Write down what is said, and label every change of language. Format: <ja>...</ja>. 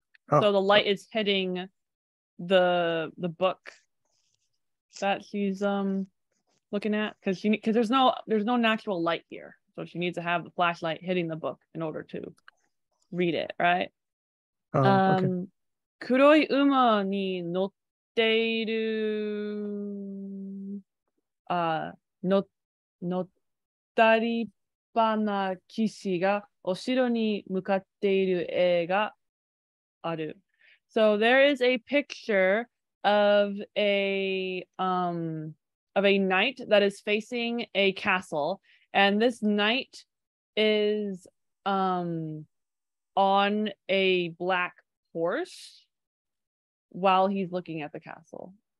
<en>Oh, so the light is hitting the book that she's looking at, because there's no natural light here, so she needs to have the flashlight hitting the book in order to read it, right? Okay.</en> <ja>黒い馬に乗っている乗ったり馬な騎士がお城に向かっている絵がある。</ja> <en>So there is a picture of a knight that is facing a castle, and this knight is on a black horse while he's looking at the castle.</en>